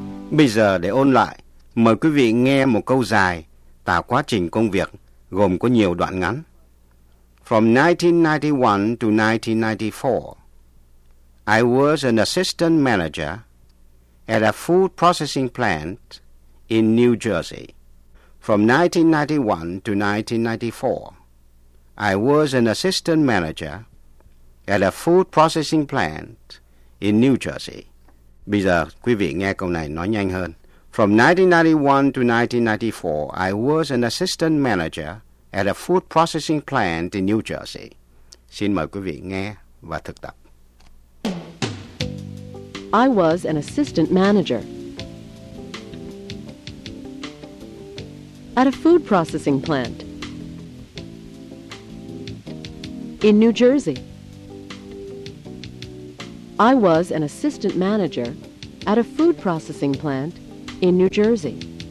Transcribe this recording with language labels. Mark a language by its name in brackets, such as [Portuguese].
[Vietnamese] Bây giờ để ôn lại, mời quý vị nghe một câu dài tả quá trình công việc gồm có nhiều đoạn ngắn. [English] From 1991 to 1994, I was an assistant manager at a food processing plant in New Jersey. From 1991 to 1994, I was an assistant manager at a food processing plant in New Jersey. [Vietnamese] Bây giờ quý vị nghe câu này nói nhanh hơn. [English] From 1991 to 1994, I was an assistant manager at a food processing plant in New Jersey. [Vietnamese] Xin mời quý vị nghe và thực tập. [English] I was an assistant manager at a food processing plant in New Jersey. I was an assistant manager at a food processing plant in New Jersey.